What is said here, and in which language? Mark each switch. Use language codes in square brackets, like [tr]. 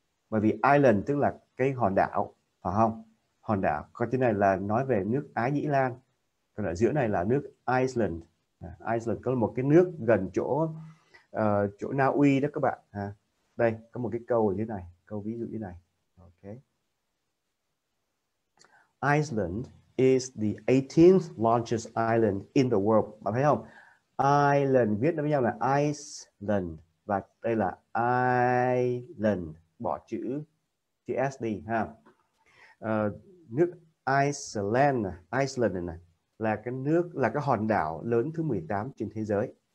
[vi] Bởi vì Island tức là cái hòn đảo, phải không? Hòn đảo. Còn chữ này là nói về nước Ái Nhĩ Lan. Còn ở giữa này là nước Iceland. Iceland có một cái nước gần chỗ chỗ Na Uy đó các bạn. À, đây có một cái câu ở dưới này, câu ví dụ như này. Ok. [en] Iceland is the 18th largest island in the world. [vi] Bạn thấy không? Island viết với nhau là Iceland và đây là Island, bỏ chữ chữ S đi ha. Nước Iceland, Iceland này, này là cái nước, là cái hòn đảo lớn thứ 18 trên thế giới.